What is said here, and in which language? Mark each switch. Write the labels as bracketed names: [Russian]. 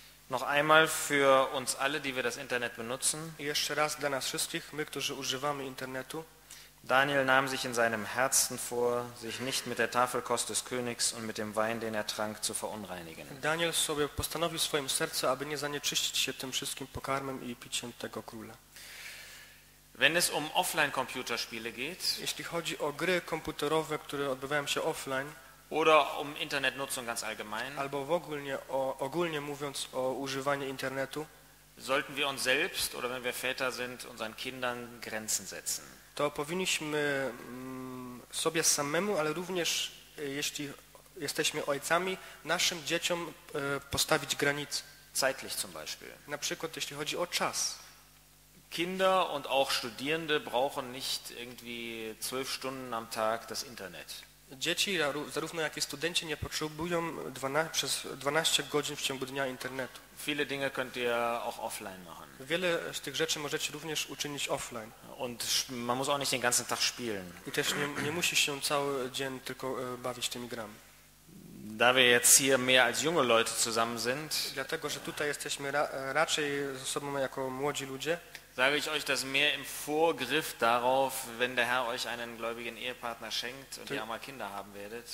[German] Noch einmal für uns alle, die wir das Internet benutzen. [Polish] I jeszcze raz dla nas wszystkich, my, którzy używamy internetu. [German] Daniel nahm sich in seinem Herzen vor, sich nicht mit der Tafelkost des Königs und mit dem Wein, den er trank, zu verunreinigen. [Polish] Daniel sobie postanowił w swoim sercu, aby nie zanieczyścić się tym wszystkim pokarmem i piciem tego króla. [German] Wenn es um Offline-Computerspiele geht, [Polish] jeśli chodzi o gry komputerowe, które odbywają się offline, [German] oder um Internetnutzung ganz allgemein, [Polish] albo w ogólnie, ogólnie mówiąc o używanie internetu, [German] sollten wir uns selbst, oder wenn wir Väter sind, unseren Kindern Grenzen setzen. [Polish] To powinniśmy sobie samemu, ale również jeśli jesteśmy ojcami, naszym dzieciom postawić granice. [German] Zeitlich zum Beispiel. [Polish] Na przykład jeśli chodzi o czas. [German] Kinder und auch Studierende brauchen nicht irgendwie 12 Stunden am Tag das Internet. [Polish] Dzieci, zarówno jak i studenci, nie potrzebują przez 12 godzin w ciągu dnia internetu. [German] Viele Dinge könnt ihr auch offline machen. [Polish] Wiele z tych rzeczy możecie również uczynić offline. [German] Und man muss auch nicht den ganzen Tag spielen. [Polish] I też nie musisz się cały dzień tylko bawić tymi grami. [German] Da wir jetzt hier mehr als junge Leute zusammen sind, [Polish] dlatego, że tutaj jesteśmy raczej ze sobą jako młodzi ludzie, [German] sage ich euch das mehr im Vorgriff darauf, wenn der Herr euch einen gläubigen Ehepartner schenkt und ihr einmal Kinder haben werdet.